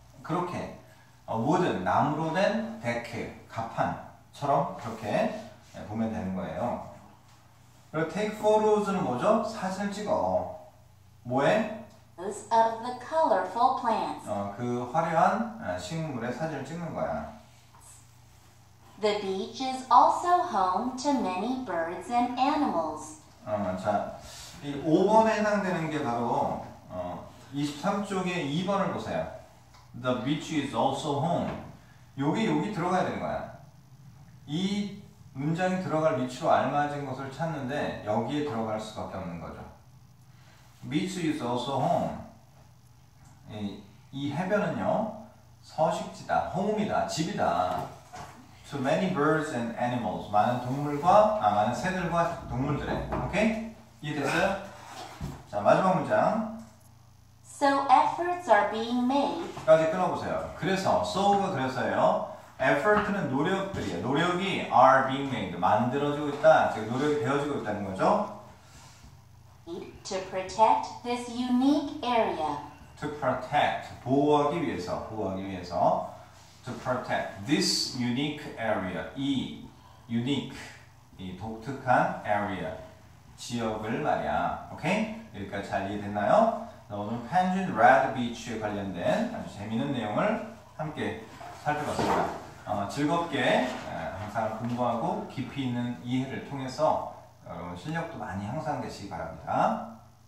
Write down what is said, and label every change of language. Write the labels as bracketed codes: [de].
[ko] 그렇게 wooden, 나무로 된 deck, 가판처럼 그렇게 보면 되는 거예요. 그리고 take photos는 뭐죠? 사진을 찍어. 뭐에? [en] of the colorful plants. [ko] 그 화려한 식물의 사진을 찍는 거야. [en] The beach is also home to many birds and animals. [ko] 자, 이 5번에 해당되는 게 바로 23쪽에 2번을 보세요. [en] The beach is also home. [ko] 여기 들어가야 되는 거야. 이 문장이 들어갈 위치로 알맞은 것을 찾는데 여기에 들어갈 수밖에 없는 거죠. [en] Beach is also home. [ko] 이 해변은요, 서식지다, home이다, 집이다. [en] To many birds and animals. [ko] 많은 동물과, 많은 새들과 동물들의. 오케이? 이해됐어요? 자, 마지막 문장. [en] So efforts are being made. [ko] 까지 끊어보세요. 그래서, so가 그래서예요. effort는 노력들이에요. [en] 노력이 are being made. [ko] 만들어지고 있다. 즉, 노력이 되어지고 있다는 거죠. [en] To protect this unique area. To protect. [ko] 보호하기 위해서. 보호하기 위해서. [en] To protect this unique area, 이 unique, [ko] 이 독특한 [en] area, [ko] 지역을 말이야. 오케이? 여기까지 잘 이해됐나요? 오늘 Penguin Red Beach에 관련된 아주 재미있는 내용을 함께 살펴봤습니다. 즐겁게 항상 공부하고 깊이 있는 이해를 통해서 여러분 실력도 많이 향상되시기 바랍니다.